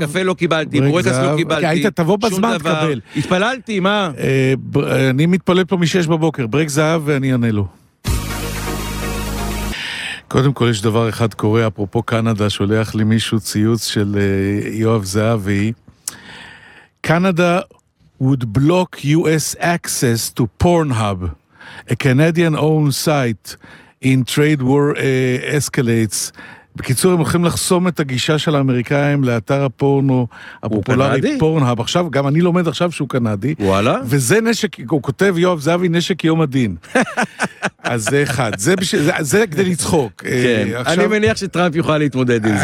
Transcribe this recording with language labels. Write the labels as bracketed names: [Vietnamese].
[Hebrew] שר, קפה לא קיבלתי, בורקס לא קיבלתי. היית, תבוא בזמן, תקבל. התפללתי, מה? אני מתפלל פה משש בבוקר. ברק זהב ואני אענה לו. קודם כל, יש דבר אחד קורה, אפרופו קנדה, שולח לי מישהו ציוץ של יואב זהבי. [English] קנדה would block US access to Pornhub, a Canadian-owned site in trade war escalates. [Hebrew] בקיצור, הם הולכים לחסום את הגישה של האמריקאים לאתר הפורנו הפופולרי פורנהאב. עכשיו, גם אני לומד עכשיו שהוא קנדי. וואלה. וזה נשק, הוא כותב יואב זהבי, נשק יום הדין. אז זה אחד. זה כדי לצחוק. כן. אני מניח שטראמפ יוכל להתמודד עם זה.